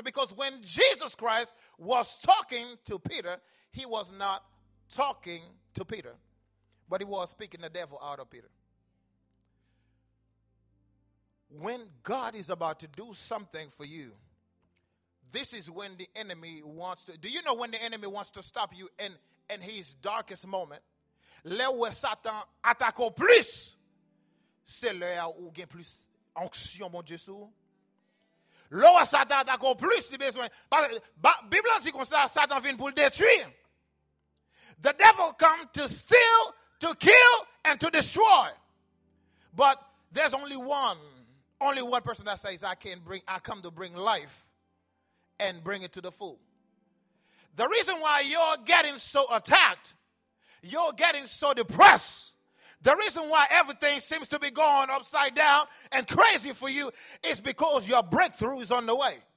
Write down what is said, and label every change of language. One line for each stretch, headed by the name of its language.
English: Because when Jesus Christ was talking to Peter, he was not talking to Peter, but he was speaking the devil out of Peter. When God is about to do something for you, this is when the enemy wants to. Do you know when the enemy wants to stop you in his darkest moment?
French: Là où Satan attaque au plus, c'est là où il y a plus onction, mon Dieu, sur. Là où Satan attaque au plus, il y a besoin. Parce que la Bible dit comme ça, Satan vient pour le détruire.
English: The devil comes to steal, to kill, and to destroy. But there's only one person that says, I come to bring life and bring it to the full. The reason why you're getting so attacked, you're getting so depressed, the reason why everything seems to be going upside down and crazy for you is because your breakthrough is on the way.